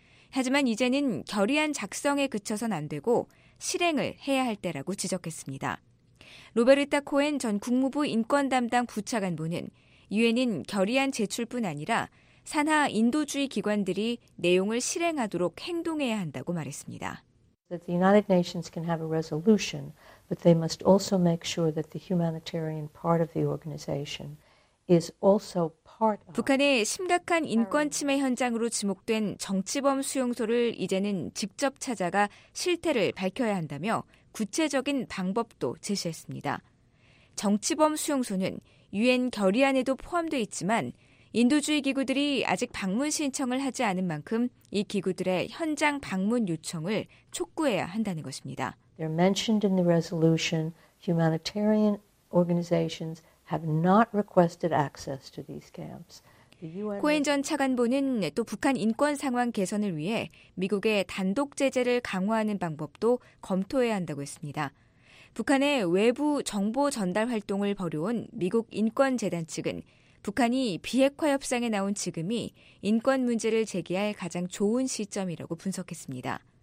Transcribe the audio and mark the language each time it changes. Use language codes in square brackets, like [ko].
[ko] 하지만 이제는 결의안 작성에 그쳐선 안 되고 실행을 해야 할 때라고 지적했습니다. 로베르타 코엔 전 국무부 인권 담당 부차관보는 유엔은 결의안 제출뿐 아니라 산하 인도주의 기관들이 내용을 실행하도록 행동해야 한다고 말했습니다. [en] That the United Nations can have a resolution, but they must also make sure that the humanitarian part of the organization is also part of. [ko] 북한의 심각한 인권 침해 현장으로 지목된 정치범 수용소를 이제는 직접 찾아가 실태를 밝혀야 한다며 구체적인 방법도 제시했습니다. 정치범 수용소는 유엔 결의안에도 포함돼 있지만 인도주의 기구들이 아직 방문 신청을 하지 않은 만큼 이 기구들의 현장 방문 요청을 촉구해야 한다는 것입니다. [en] They're mentioned in the resolution. Humanitarian organizations have not requested access to these camps. [ko] 코엔 전 차관보는 또 북한 인권 상황 개선을 위해 미국의 단독 제재를 강화하는 방법도 검토해야 한다고 했습니다. 북한의 외부 정보 전달 활동을 벌여온 미국 인권재단 측은 북한이 비핵화 협상에 나온 지금이 인권 문제를 제기할 가장 좋은 시점이라고 분석했습니다.